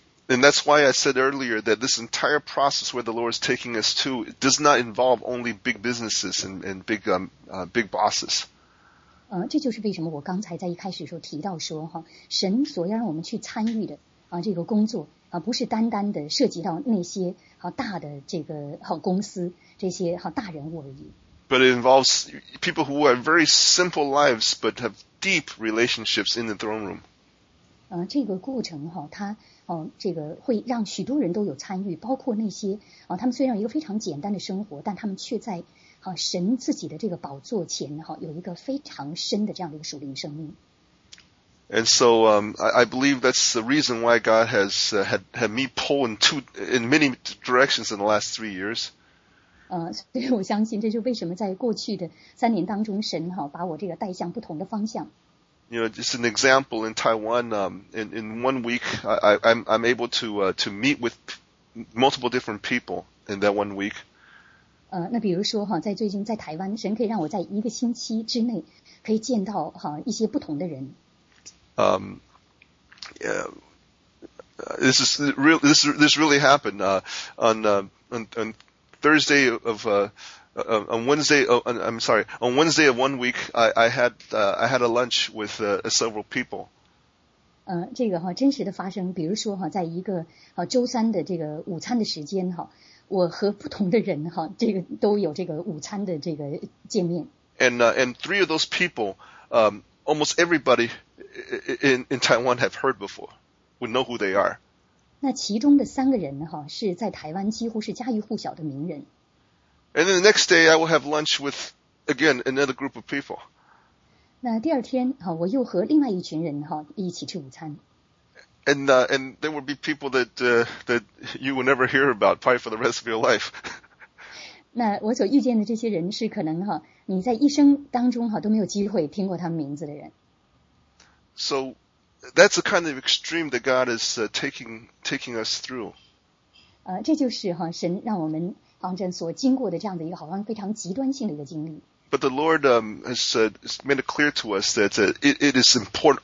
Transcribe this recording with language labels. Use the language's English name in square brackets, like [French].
[English] And that's why I said earlier that this entire process where the Lord is taking us to does not involve only big businesses and big big bosses. [Chinese] 这就是为什么我刚才在一开始时候提到说哈、神所要让我们去参与的啊这个工作。不是单单的涉及到那些好大的这个好公司这些好大人物而已。 [English] But it involves people who have very simple lives but have deep relationships in the throne room. [Chinese] 这个过程哈，它这个会让许多人都有参与，包括那些他们虽然有一个非常简单的生活，但他们却在神自己的这个宝座前哈有一个非常深的这样的一个属灵生命。 [English] And so, I believe that's the reason why God has had me pull in many directions in the last 3 years. [Chinese] 所以我相信这就为什么在过去的3年当中，神哈把我这个带向不同的方向。 [English] You know, just an example in Taiwan. In 1 week, I'm able to meet with multiple different people in that 1 week. [Chinese] 那比如说哈，在最近在台湾，神可以让我在一个星期之内可以见到哈一些不同的人。 [English] This really happened. On Wednesday of 1 week, I had a lunch with several people. [Chinese] 这个哈真实的发生，比如说哈，在一个周三的这个午餐的时间哈，我和不同的人哈，这个都有这个午餐的这个见面。 [English] And three of those people, almost everybody. In Taiwan have heard before, we know who they are. [Chinese] 那其中的三个人哈，是在台湾几乎是家喻户晓的名人。 [English] And then the next day, I will have lunch with again another group of people. [Chinese] 那第二天哈，我又和另外一群人哈一起吃午餐。 [English] And there will be people that that you will never hear about probably for the rest of your life. [Chinese] 那我所遇见的这些人是可能哈，你在一生当中哈都没有机会听过他们名字的人。 [English] So that's the kind of extreme that God is taking us through. [Chinese] 这就是哈神让我们好像所经过的这样的一个好像非常极端性的一个经历。 [English] But the Lord has made it clear to us that it is important.